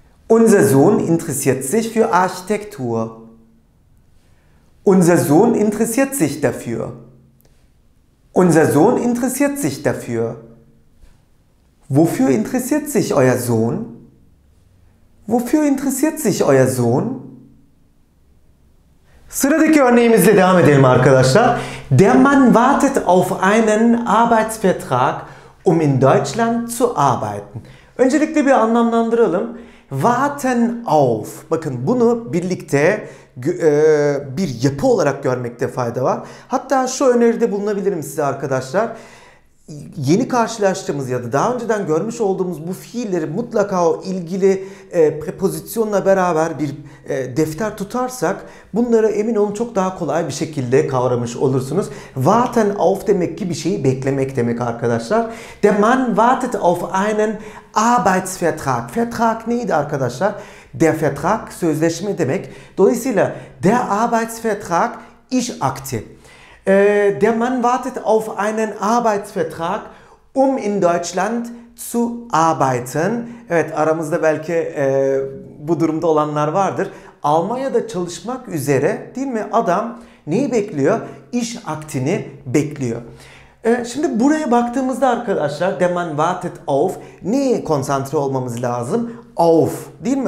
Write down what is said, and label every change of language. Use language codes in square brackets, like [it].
[de] Unser Sohn interessiert sich für Architektur. Unser Sohn interessiert sich dafür. Unser Sohn interessiert sich dafür. Wofür interessiert sich euer Sohn? Wofür interessiert sich euer Sohn? [tr] Sıradaki örneğimizle devam edelim arkadaşlar. [de] Der Mann wartet auf einen Arbeitsvertrag, um in Deutschland zu arbeiten. [tr] Öncelikle bir anlamlandıralım. Warten auf. Bakın bunu birlikte bir yapı olarak görmekte fayda var. Hatta şu öneride bulunabilirim size arkadaşlar. Yeni karşılaştığımız ya da daha önceden görmüş olduğumuz bu fiilleri mutlaka o ilgili prepozisyonla beraber bir defter tutarsak bunları emin olun çok daha kolay bir şekilde kavramış olursunuz. Warten auf demek ki bir şeyi beklemek demek arkadaşlar. [de] Der Mann wartet auf einen Arbeitsvertrag. [tr] Vertrag neydi arkadaşlar? Der Vertrag sözleşme demek. Dolayısıyla der Arbeitsvertrag iş akti. [de] Der Mann wartet auf einen Arbeitsvertrag, um in Deutschland zu arbeiten. [tr] Evet, aramızda belki bu durumda olanlar vardır. Almanya'da çalışmak üzere, değil mi? Adam neyi bekliyor? İş aktini bekliyor. Şimdi buraya baktığımızda arkadaşlar, [de] der Mann wartet auf, [tr] neye konsantre olmamız lazım? Auf, değil mi?